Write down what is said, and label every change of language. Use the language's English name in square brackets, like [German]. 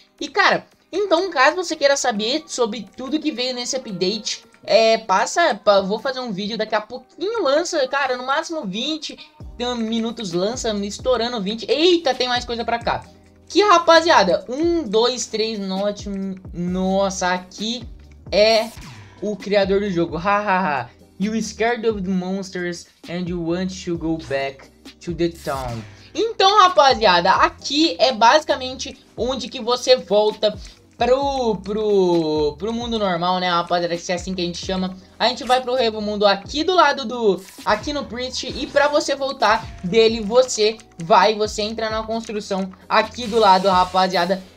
[Portuguese] E, cara, então, caso você queira saber sobre tudo que veio nesse update, vou fazer um vídeo daqui a pouquinho. Lança, cara, no máximo 20 minutos lança, estourando 20. Eita, tem mais coisa pra cá. Que rapaziada, 1, 2, 3, note. Nossa, aqui é o criador do jogo. Hahaha. [English] You scared of the monsters and you want to go back to the town. [Portuguese] Então, rapaziada, aqui é basicamente onde que você volta pro mundo normal, né, rapaziada? Se é assim que a gente chama. A gente vai pro Evo Mundo aqui do lado do. Aqui no Priest. E pra você voltar dele, você entra na construção aqui do lado, rapaziada.